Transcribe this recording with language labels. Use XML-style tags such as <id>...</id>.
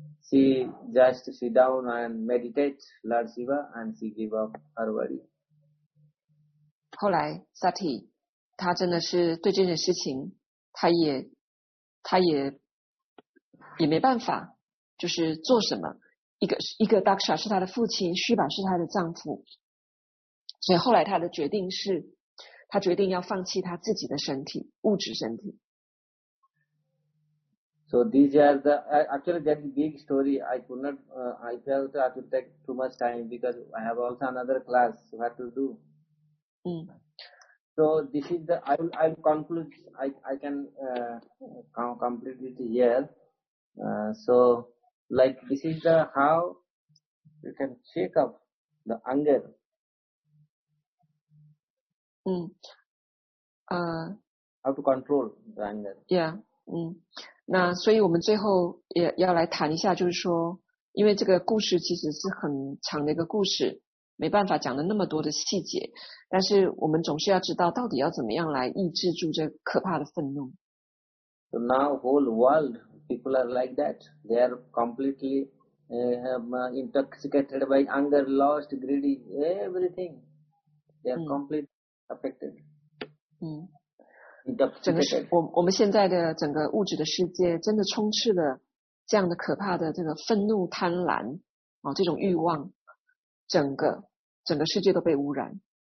<en>She just sit down and meditate Lord Shiva and she give up her worry.</en> <zh>后来 Sati 他真的是对这件事情他也没办法就是做什么，一个 Daksha 是他的父亲，虚巴是他的丈夫，所以后来他的决定是他决定要放弃他自己的身体，物质身体。</zh> <en>So these are the actually that big story. I could not. I felt I could take too much time because I have also another class. What to do? So this is the. I'll conclude. I can complete it here. So like this is the how you can shake up the anger. How to control the anger? Yeah.</en> <zh>那所以我们最后也要来谈一下，就是说因为这个故事其实是很长的一个故事，没办法讲的那么多的细节，但是我们总是要知道到底要怎么样来抑制住这可怕的愤怒。</zh> <en>So now whole world people are like that, they are completely intoxicated by anger, lost, greedy, everything, they are completely affected.</en> <zh>整个我们现在的整个物质的世界真的充斥了这样的可怕的这个愤怒贪婪、哦、这种欲望，整个世界都被污染。</zh>